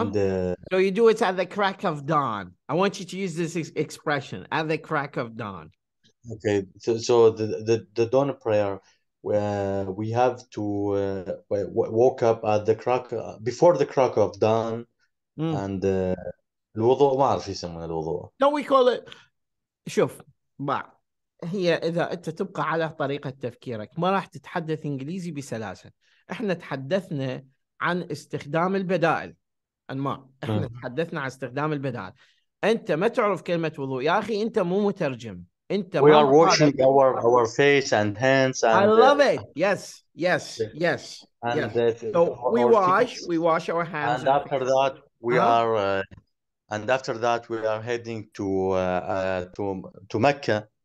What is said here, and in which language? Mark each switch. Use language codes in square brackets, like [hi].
[en] And, so you do it at the crack of dawn. I want you to use this expression at the crack of dawn. Okay. So the dawn prayer. We have to wake up at the crack before the crack of dawn, and [ar] الوضوء ما أعرف يسمون الوضوء. [en] No, we call it. [ar] شوف, ما هي إذا أنت تبقى على طريقة تفكيرك ما راح تتحدث إنجليزي بسلاسة. إحنا تحدثنا عن استخدام البدائل, أنمار. إحنا تحدثنا عن استخدام البدائل. أنت ما تعرف كلمة وضوء يا أخي, أنت مو مترجم. [en] We are washing our face and hands. And, I love it. Yes, yes, yes. And yes. So we wash our hands. And after that, we are. And after that, we are heading to Mecca.